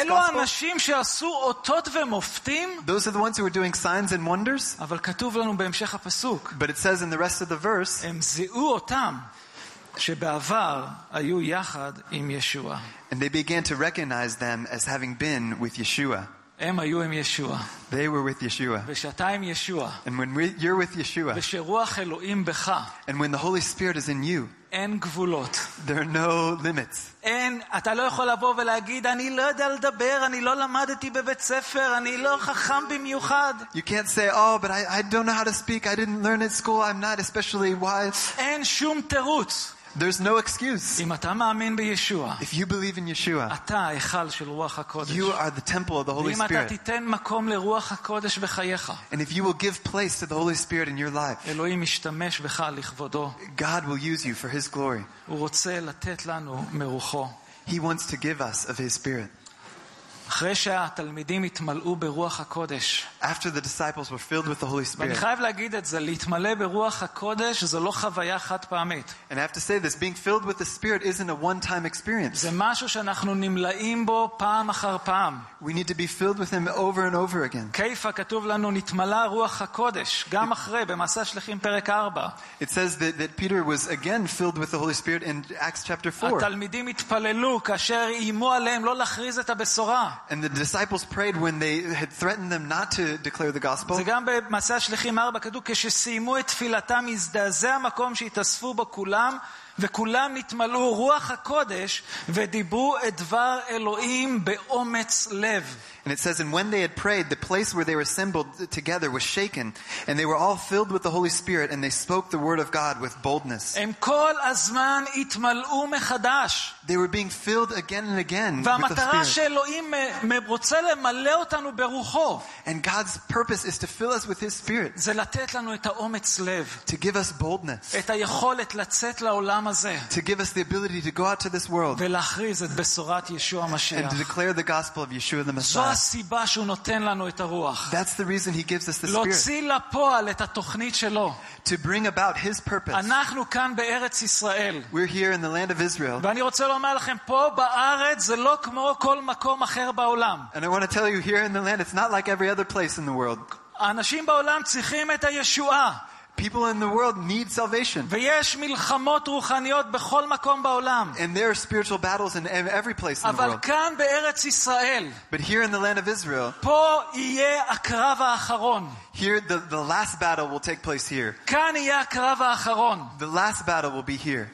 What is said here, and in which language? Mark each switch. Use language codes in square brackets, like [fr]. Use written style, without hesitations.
[he] אלו אנשים שעשו אותות ומופתים [en] those are the ones who are doing signs and wonders [he] אבל כתוב לנו בהמשך הפסוק [en] but it says in the rest of the verse [he] הם זיהו אותם שבעבר היו יחד עם ישוע [en] And they began to recognize them as having been with Yeshua. [he] הם היו עם ישוע. [en] They were with Yeshua. [he] ושתיים ישוע. [en] And when you're with Yeshua. [he] ושרוח אלוהים בך. [en] And when the Holy Spirit is in you. [he] אין גבולות. [en] There are no limits. [he] אין, אתה לא יכול לבוא ולהגיד אני לא יודע לדבר, אני לא למדתי בבית ספר, אני לא חכם במיוחד. [en] You can't say oh but I don't know how to speak, I didn't learn at school, I'm not especially wise. [he] אין שום תירוץ. [en] There's no excuse. [he] אם אתה מאמין בישועה. [en] If you believe in Yeshua. [he] אתה היכל של רוח הקודש. [en] You are the temple of the Holy Spirit. [he] אם אתה תיתן מקום לרוח הקודש בחייך. [en] And if you will give place to the Holy Spirit in your life. [he] אלוהים ישתמש בך לכבודו. [en] God will use you for his glory. [he] הוא רוצה לתת לנו מרוחו. [en] He wants to give us of his spirit. [he] אחרי שהתלמידים התמלאו ברוח הקודש. [en] After the disciples were filled with the Holy Spirit. [he] ואני חייב להגיד את זה, להתמלא ברוח הקודש זה לא חוויה חד פעמית. [en] And I have to say this, being filled with the Spirit isn't a one-time experience. [he] זה משהו שאנחנו נמלאים בו פעם אחר פעם. [en] We need to be filled with him over and over again. [he] כיפה כתוב לנו נתמלא רוח הקודש גם אחרי במעשה שליחים פרק 4. [en] It says that Peter was again filled with the Holy Spirit in Acts chapter 4. [he] התלמידים התפללו כאשר אימו עליהם לא להכריז את הבשורה. [en] And the disciples prayed when they had threatened them not to declare the gospel. [he] זה גם במעשה שליחים 4 כתוב כשסיימו את תפילתם הזדעזע המקום שהתאספו בו כולם וכולם נתמלאו רוח הקודש ודיברו את דבר אלוהים באומץ לב. [en] And it says, and when they had prayed, the place where they were assembled together was shaken, and they were all filled with the Holy Spirit, and they spoke the word of God with boldness. [he] הם כל הזמן התמלאו מחדש. [en] They were being filled again and again with the Spirit. [he] והמטרה שאלוהים רוצה למלא אותנו ברוחו. [en] And God's purpose is to fill us with his Spirit. [he] זה לתת לנו את האומץ לב. [en] To give us boldness. [he] את היכולת לצאת לעולם הזה. [en] To give us the ability to go out to this world. [he] ולהכריז את בשורת ישוע המשיח. [en] And to declare the gospel of Yeshua the Messiah. [he] הסיבה שהוא נותן לנו את הרוח. [en] That's the reason he gives us the spirit. [he] להוציא לפועל את התוכנית שלו. [en] To bring about his purpose. [he] אנחנו כאן בארץ ישראל. [en] We're here in the land of Israel. [he] ואני רוצה לומר לכם פה בארץ זה לא כמו כל מקום אחר בעולם. [en] And I want to tell you here in the land it's not like every other place in the world. [he] אנשים בעולם צריכים את הישועה. [en] People in the world need salvation. [he] ויש מלחמות רוחניות בכל מקום בעולם. [en] And there are spiritual battles in every place in the world. [he] אבל כאן בארץ ישראל. [en] But here in the land of Israel. [he] פה יהיה הקרב האחרון. [en] Here the last battle will take place here. [he] כאן יהיה הקרב האחרון. [en] The last battle will be here.